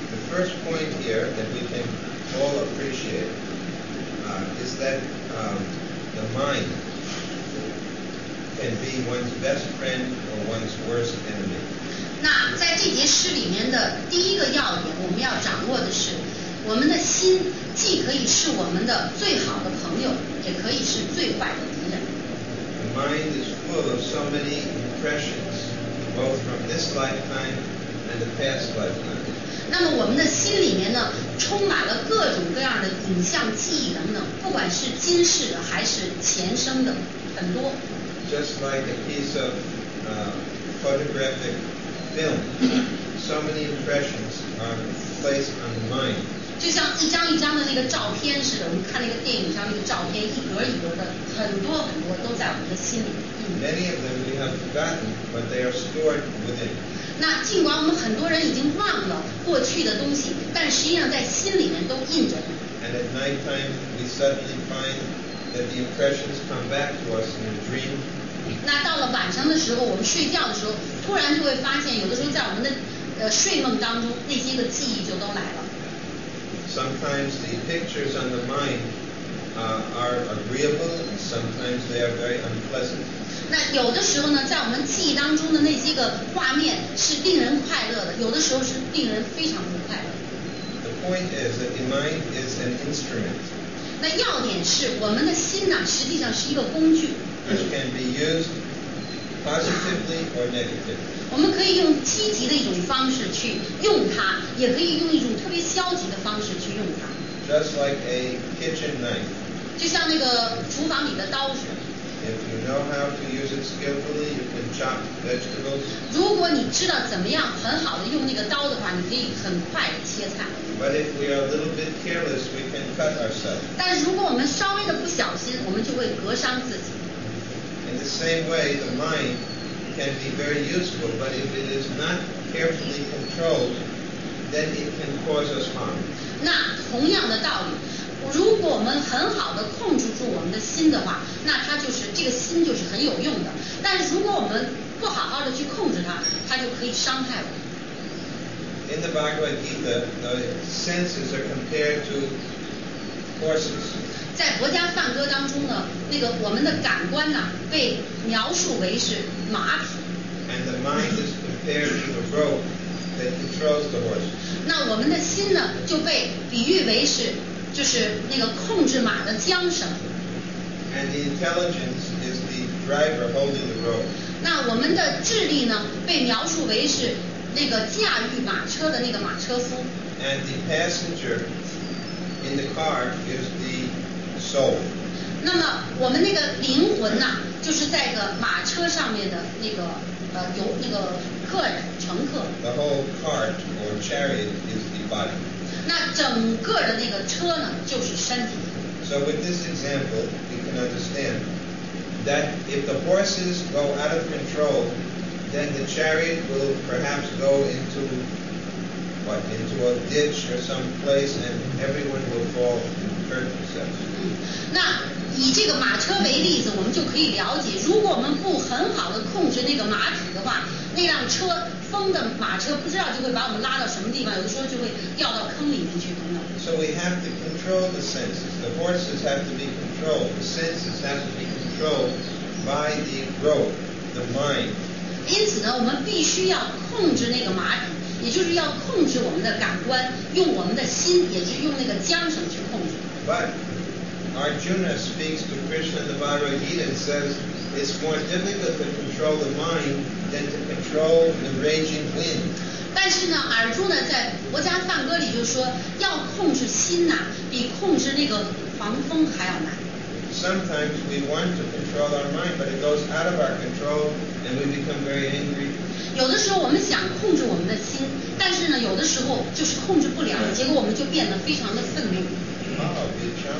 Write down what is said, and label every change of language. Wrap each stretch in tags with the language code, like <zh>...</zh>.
<en>first point here that we can all appreciate is that the mind can be one's best friend or one's worst enemy.</en> <zh>那在这节诗里面的第一个要点，我们要掌握的是，我们的心既可以是我们的最好的朋友，也可以是最坏的敌人。</zh> <en>The mind is full of so many impressions, both from this lifetime and the past lifetime.</en> <zh>那么我们的心里面呢，充满了各种各样的影像、记忆等等，不管是今世的还是前生的，很多。</zh> <en>Just like a piece of photographic film, so many impressions are placed on the mind.</en> <zh>就像一张一张的那个照片似的，我们看那个电影上那个照片，一格一格的，很多很多都在我们的心里。</zh> <en>Many of them we have forgotten, but they are stored within.</en> <zh>那尽管我们很多人已经忘了过去的东西，但实际上在心里面都印着。</zh> <en>And at night time, we suddenly find that the impressions come back to us in a dream.</en> <zh>那到了晚上的时候，我们睡觉的时候，突然就会发现，有的时候在我们的睡梦当中，那些个记忆就都来了。</zh> <en>Sometimes the pictures on the mind are agreeable, and sometimes they are very unpleasant.</en> <zh>那有的时候呢，在我们记忆当中的那些个画面是令人快乐的，有的时候是令人非常不快乐。</zh> <en>The point is that the mind is an instrument.</en> <zh>那要点是，我们的心呢，实际上是一个工具。</zh> <en>Which can be used positively or negatively.</en> <zh>我们可以用积极的一种方式去用它，也可以用一种特别消极的方式去用它。</zh> <en>Just like a kitchen knife.</en> <zh>就像那个厨房里的刀子。</zh> <en>If you know how to use it skillfully, you can chop vegetables.</en> <zh>如果你知道怎么样很好的用那个刀的话，你可以很快的切菜。</zh> <en>But if we are a little bit careless, we can cut ourselves.</en> <zh>但如果我们稍微的不小心，我们就会割伤自己。</zh> <en>In the same way, the mind can be very useful, but if it is not carefully controlled, then it can cause us harm.</en> <zh>那同样的道理，如果我们很好的控制住我们的心的话，那它就是这个心就是很有用的。但是如果我们不好好的去控制它，它就可以伤害我们。</zh> <en>In the Bhagavad Gita, the senses are compared to horses.</en> <zh>在佛家梵歌当中呢，那个我们的感官呢被描述为是马匹。</zh> <en>And the mind is compared to the rope that controls the horses.</en> <zh>那我们的心呢就被比喻为是。就是那个控制马的缰绳。</zh> <en>And the intelligence is the driver holding the rope.</en> <zh>那我们的智力呢，被描述为是那个驾驭马车的那个马车夫。</zh> <en>And the passenger in the car is the soul.</en> <zh>那么我们那个灵魂呢，就是在个马车上面的那个那个客人乘客。</zh> <en>The whole cart or chariot is the body.</en> <zh>那整个的那个车呢，就是身体。</zh> <en>So with this example, you can understand that if the horses go out of control, then the chariot will perhaps go into a ditch or some place, and everyone will fall and hurt themselves.</en> <zh>那以这个马车为例子，我们就可以了解，如果我们不很好的控制那个马匹的话，那辆车。风的马车不知道就会把我们拉到什么地方，有的时候就会掉到坑里面去等等。</zh> <en>So we have to control the senses. The horses have to be controlled. The senses have to be controlled by the rope, the mind.</en> <zh>因此呢，我们必须要控制那个马匹，也就是要控制我们的感官，用我们的心，也就是用那个缰绳去控制。</zh> <en>But Arjuna speaks to Krishna in the Bhagavad Gita and says it's more difficult to control the mind. Than to control the raging wind.</en> <zh>但是呢，尔朱呢在佛家梵歌里就说，要控制心呐，比控制那个狂风还要难。</zh> <en>Sometimes we want to control our mind, but it goes out of our control, and we become very angry.</en> <zh>有的时候我们想控制我们的心，但是呢，有的时候就是控制不了，结果我们就变得非常的愤怒。</zh>